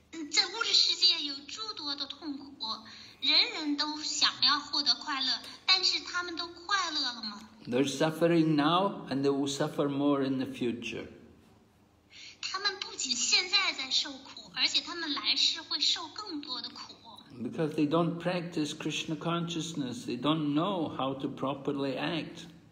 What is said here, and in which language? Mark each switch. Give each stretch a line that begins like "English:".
Chinese: 在物质世界有诸多的痛苦，人人都想要获得快乐，但是他们都快乐了吗？
English: They're suffering now, and they will suffer more in the future.
Chinese: 他们不仅现在在受苦，而且他们来世会受更多的苦。
English: Because they don't practice Krishna consciousness, they don't know how to properly act.